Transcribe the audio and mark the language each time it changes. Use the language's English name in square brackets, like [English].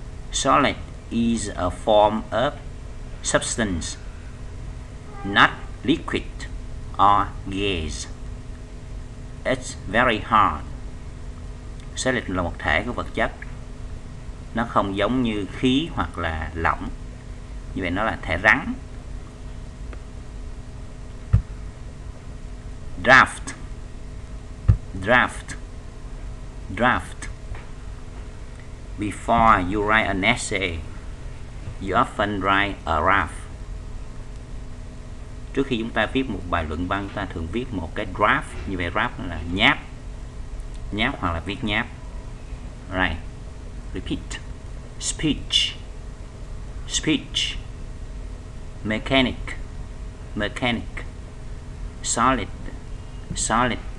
[English] Solid is a form of substance, not liquid or gas. It's very hard. [Vietnamese] Solid là một thể của vật chất. Nó không giống như khí hoặc là lỏng. Như vậy nó là thể rắn. [English] Draft, draft, draft. Before you write an essay, you often write a draft. [Vietnamese] Trước khi chúng ta viết một bài luận văn, ta thường viết một cái draft. Như vậy draft là nháp, nháp hoặc là viết nháp. [English] Right, repeat. Speech, speech. Mechanic, mechanic. Solid, solid.